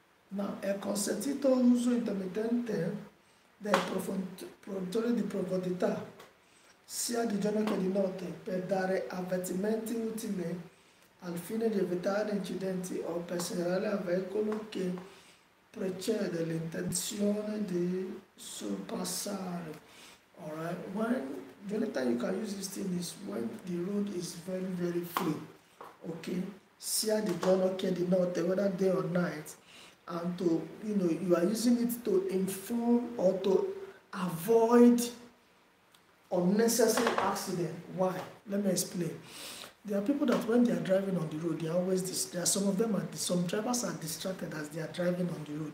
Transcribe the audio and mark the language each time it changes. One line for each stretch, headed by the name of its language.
Italian: Now, a consentito uso intermittente del proiettore di profondità, sia di giorno che di notte, per dare avvertimenti utili al fine di evitare incidenti o per segnalare al veicolo che precede l'intenzione di sorpassare.
English: Alright, when the only time you can use this thing is when the road is very, very free.
Italian: Okay, sia di giorno che di notte,
English: whether day or night. And to, you know, you are using it to inform or to avoid unnecessary accident. Why? Let me explain. There are people that when they are driving on the road, they are always, some drivers are distracted as they are driving on the road.